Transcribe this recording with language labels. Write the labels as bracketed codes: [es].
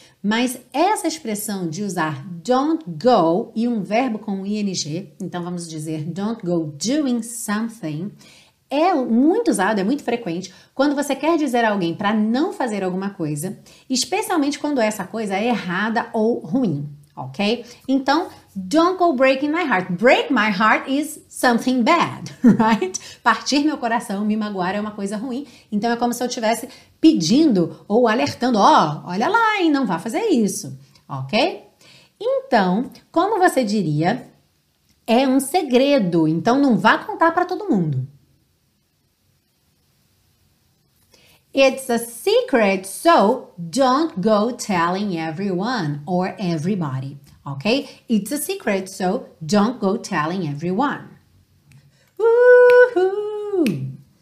[pt] Mas essa expressão de usar don't go e um verbo com ing, então vamos dizer [en] don't go doing something, [pt] é muito usado, é muito frequente, quando você quer dizer a alguém para não fazer alguma coisa, especialmente quando essa coisa é errada ou ruim, ok? [en] Então, don't go breaking my heart. Break my heart is something bad, right? [pt] Partir meu coração, me magoar é uma coisa ruim. Então, é como se eu estivesse pedindo ou alertando, ó, olha lá, hein, não vá fazer isso, ok? Então, como você diria, é um segredo, então não vá contar para todo mundo. [en] It's a secret, so don't go telling everyone or everybody, ok? It's a secret, so don't go telling everyone. Woohoo!